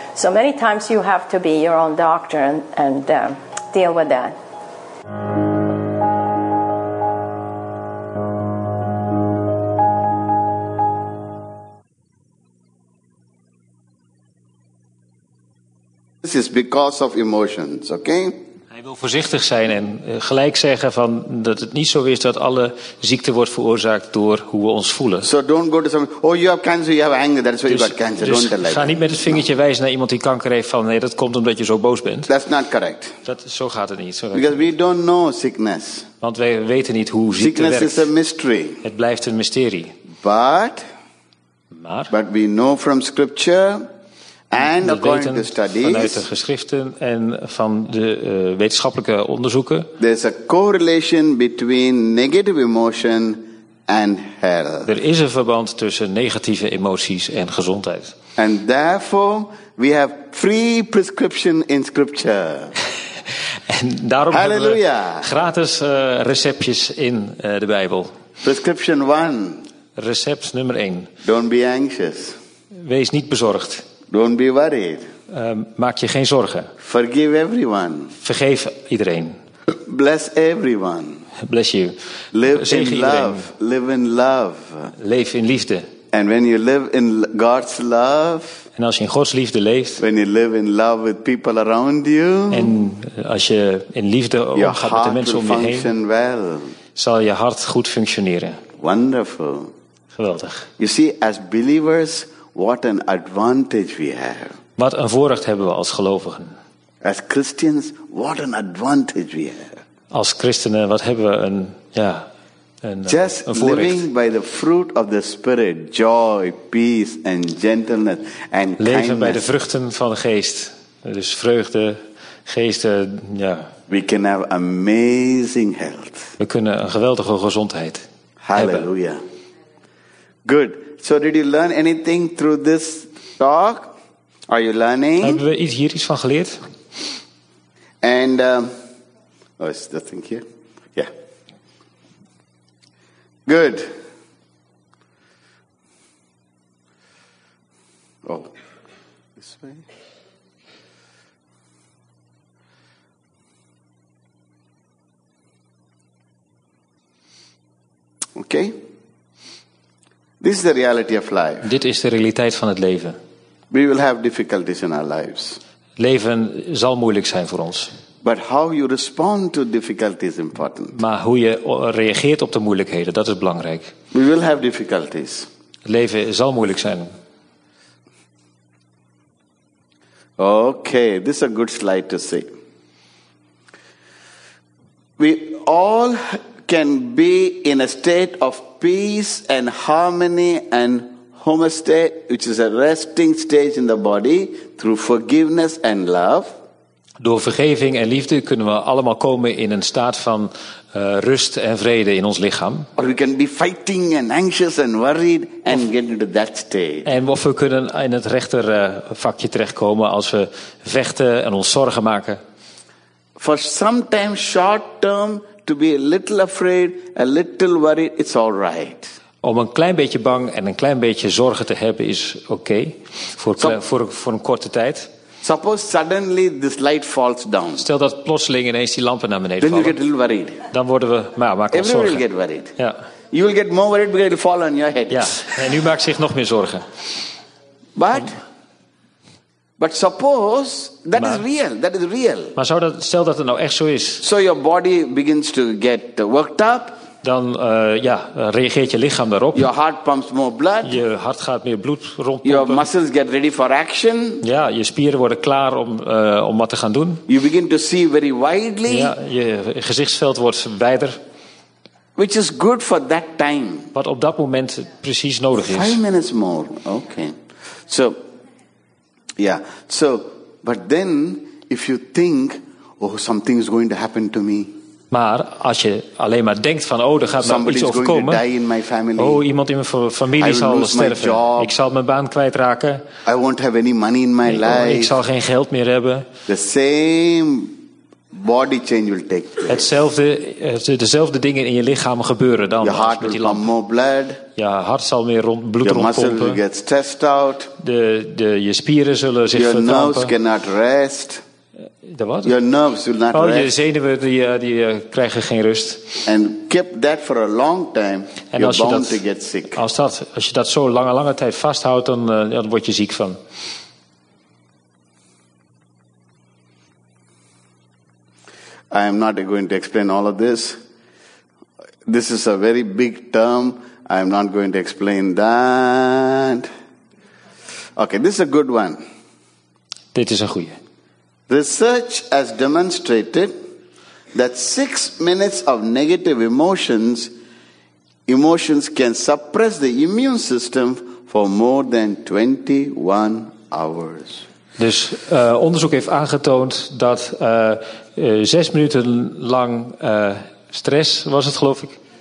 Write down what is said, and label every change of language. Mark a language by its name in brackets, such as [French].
[English] So many times you have to be your own doctor and deal with that. This is because of emotions, okay? [Dutch] Hij wil voorzichtig zijn en gelijk zeggen van dat het niet zo is dat alle ziekte wordt veroorzaakt door hoe we ons voelen. [English] So don't go to some, oh, you have cancer, you have anger, that's why [Dutch] dus, [English] you got cancer. [Dutch] Dus [English] don't [Dutch] ga niet met het vingertje wijzen naar iemand die kanker heeft van nee, dat komt omdat je zo boos bent. [English] That's not correct. [Dutch] Dat, zo gaat het niet. [English] Because we don't know sickness. [Dutch] Want wij weten niet hoe [English] sickness [Dutch] ziekte werkt. [English] Sickness is a mystery. [Dutch] Het blijft een mysterie. [English] But we know from scripture. And according to studies, [Dutch] vanuit de geschriften en van de wetenschappelijke onderzoeken, [English] there's a correlation between negative emotion and health. [Dutch] Er is een verband tussen negatieve emoties en gezondheid. [English] And therefore we have free prescription in scripture. [Dutch] En daarom Halleluja. Hebben we gratis receptjes in de Bijbel. [English] Prescription 1. [Dutch] Recept nummer 1. [English] Don't be anxious. [Dutch] Wees niet bezorgd. [English] Don't be worried. [Dutch] Maak je geen zorgen. [English] Forgive everyone. [Dutch] Vergeef iedereen. [English] Bless everyone. Bless you. Live in love. Live in love. [Dutch] Leef in liefde. [English] And when you live in God's love. [Dutch] En als je in Gods liefde leeft. [English] When you live in love with people around you. [Dutch] En als je in liefde omgaat met de mensen om je heen. [English] Your heart will function well. [Dutch] Zal je hart goed functioneren. [English] Wonderful. [Dutch] Geweldig. [English] You see, as believers. What an advantage we have. [Dutch] Wat een voorrecht hebben we als gelovigen. [English] As Christians, what an advantage we have. [Dutch] Als christenen, wat hebben we een [English] Just living by the fruit of the Spirit, joy, peace and gentleness and kindness. [Dutch] Leven bij de vruchten van de geest. Dus vreugde, geesten, ja. [English] We can have amazing health. [Dutch] We kunnen een geweldige gezondheid. [English] Hallelujah. Good. So did you learn anything through this talk? Are you learning? [Dutch] Hebben we hier iets van geleerd? [English] And oh, is that thing here? Yeah. Good. Oh, this way. Okay. This is the reality of life. [Dutch] Dit is de realiteit van het leven. [English] We will have difficulties in our lives. [Dutch] Leven zal moeilijk zijn voor ons. [English] But how you respond to difficulties is important. [Dutch] Maar hoe je reageert op de moeilijkheden, dat is belangrijk. [English] We will have difficulties. [Dutch] Leven zal moeilijk zijn. [English] Okay, this is a good slide to see. We all can be in a state of peace and harmony and homeostasis, which is a resting stage in the body, through forgiveness and love. [Dutch] Door vergeving en liefde kunnen we allemaal komen in een staat van rust en vrede in ons lichaam. [English] Or we can be fighting and anxious and worried and get into that state. [Dutch] En of we kunnen in het rechter vakje terechtkomen als we vechten en ons zorgen maken. [English] For sometimes short term to be a little afraid, a little worried, it's all right. [Dutch] Om een klein beetje bang en een klein beetje zorgen te hebben is oké. Okay, voor een korte tijd. [English] Suppose suddenly this light falls down. [Dutch] Stel dat plotseling ineens die lampen naar beneden vallen. [English] You get a little worried. [Dutch] Dan worden we maar maken [English] everybody [Dutch] zorgen. [English] Will get worried. [Dutch] Ja. [English] You will get more worried because it will fall on your head. [Dutch] Ja. En u maakt zich nog meer zorgen. [English] But suppose that is real. That is real. [Dutch] Maar zou dat, stel dat het nou echt zo is. [English] So your body begins to get worked up. [Dutch] Dan reageert je lichaam daarop. [English] Your heart pumps more blood. [Dutch] Je hart gaat meer bloed rondpompen. [English] Your muscles get ready for action. [Dutch] Ja, je spieren worden klaar om wat te gaan doen. [English] You begin to see very widely. [Dutch] Ja, je gezichtsveld wordt wijder. [English] Which is good for that time. [Dutch] Wat op dat moment precies nodig is. [English] 5 minutes more. Okay. So, yeah. So, but then if you think, oh, something is going to happen to me. [Dutch] Maar als je alleen maar denkt van, oh, er gaat me iets overkomen. Oh, iemand in mijn familie zal sterven. Ik zal mijn baan kwijtraken. [English] I won't have any money in my life. [Dutch] Ik zal geen geld meer hebben. [English] The same body change will take place. [Dutch] Dezelfde dingen in je lichaam gebeuren dan. [English] Your heart will pump more blood. [Dutch] Je hart zal meer bloed rondpompen. [English] Your muscles will get stressed out. [Dutch] Je spieren zullen zich verkrampen. [English] Your nerves cannot rest. Your nerves will not rest. [Dutch] Je zenuwen die krijgen geen rust. [English] And keep that for a long time. [Dutch] En [English] you're bound to get sick. [Dutch] Als je dat zo lange tijd vasthoudt, dan word je ziek van. [English] I am not going to explain all of this. This is a very big term. I am not going to explain that. Okay, this is a good one. [Dutch] Dit is een goeie. [English] Research has demonstrated that 6 minutes of negative emotions can suppress the immune system for more than 21 hours. [Dutch] Dus onderzoek heeft aangetoond dat 6 minuten lang stress was het geloof ik.